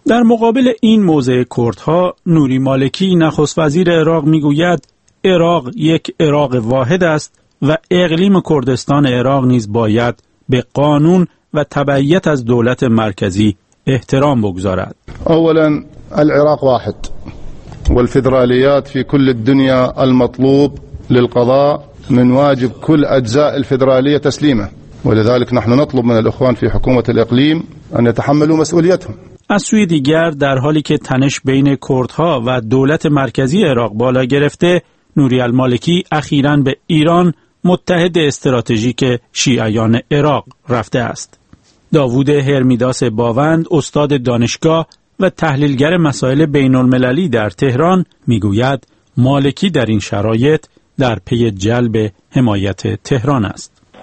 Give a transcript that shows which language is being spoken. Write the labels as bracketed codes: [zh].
[fa] در مقابل این موضع کردها، نوری مالکی نخست وزیر عراق میگوید عراق یک عراق واحد است و اقلیم کردستان عراق نیز باید به قانون و تبعیت از دولت مرکزی احترام بگذارد. [ar] اولا العراق واحد والفدراليات في كل الدنيا المطلوب للقضاء من واجب كل اجزاء الفدراليه تسليمه ولذلك نحن نطلب من الاخوان في حكومه الاقليم ان يتحملوا مسؤوليتهم. [fa] از سوی دیگر در حالی که تنش بین کردها و دولت مرکزی عراق بالا گرفته، نوری المالکی اخیرا به ایران متحد استراتژیک شیعیان عراق رفته است. داوود هرمیداس باوند، استاد دانشگاه و تحلیلگر مسائل بین المللی در تهران میگوید مالکی در این شرایط در پی جلب حمایت تهران است.